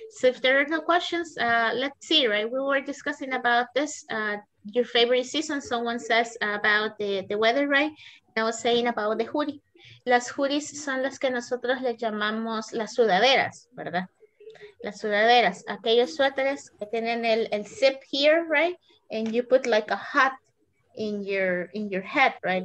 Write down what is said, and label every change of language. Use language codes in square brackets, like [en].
[en] So if there are no questions, let's see, right? We were discussing about this, your favorite season. Someone says about the weather, right? I was saying about the hoodie. [es] Las hoodies son las que nosotros le llamamos las sudaderas, ¿verdad? Las sudaderas. Aquellos suéteres que tienen el zip [en] here, right? And you put like a hat in your head, right?